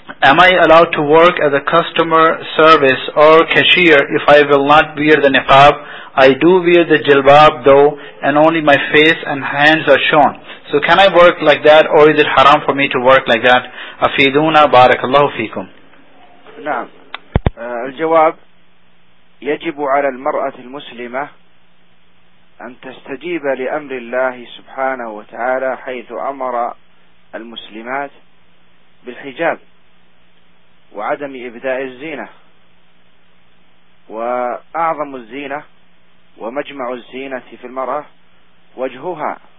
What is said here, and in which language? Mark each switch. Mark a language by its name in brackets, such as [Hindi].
[English] am I allowed to work as a customer service or cashier if I will not wear the niqab? I do wear the jilbab though, and only my face and hands are shown. So can I work like that, or is it haram for me to work like that? [Arabic] أفيدونا بارك الله فيكم. نعم. الجواب: يجب على المرأة المسلمة أن تستجيب لأمر الله سبحانه وتعالى حيث أمر المسلمات بالحجاب وعدم إبداء الزينة، وأعظم الزينة ومجمع الزينة في المرأة وجهها،